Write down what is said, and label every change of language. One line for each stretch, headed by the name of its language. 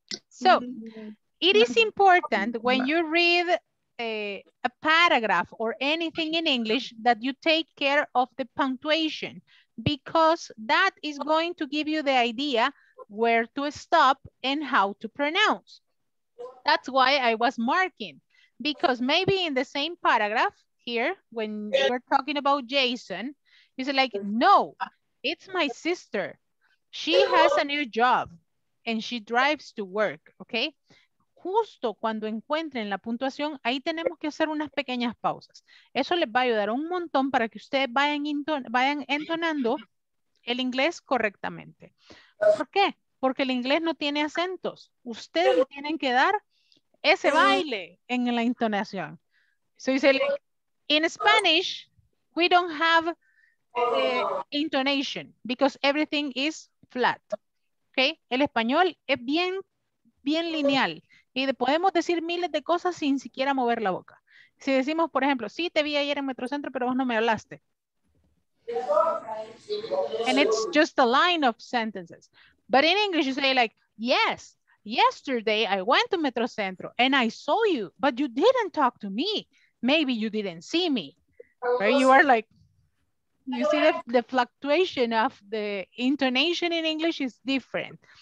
English: So, it is important when you read a paragraph or anything in English that you take care of the punctuation, because that is going to give you the idea where to stop and how to pronounce. That's why I was marking, because maybe in the same paragraph here, when we're talking about Jason, he's like, no, it's my sister. She has a new job and she drives to work, okay?
Spanish: Justo cuando encuentren la puntuación, ahí tenemos que hacer unas pequeñas pausas. Eso les va a ayudar un montón para que ustedes vayan entonando el inglés correctamente. ¿Por qué? Porque el inglés no tiene acentos. Ustedes tienen que dar ese baile en la entonación.
English: So you say like, In Spanish, we don't have intonation because everything is flat.
Spanish: Okay? El español es bien, bien lineal. Y podemos decir miles de cosas sin siquiera mover la boca. Si decimos, por ejemplo, sí, te vi ayer en Metrocentro, pero vos no me hablaste.
English: And it's just a line of sentences. But in English, you say like, yes, yesterday I went to Metrocentro and I saw you, but you didn't talk to me. Maybe you didn't see me. Right? You are like, you see the fluctuation of the intonation in English is different.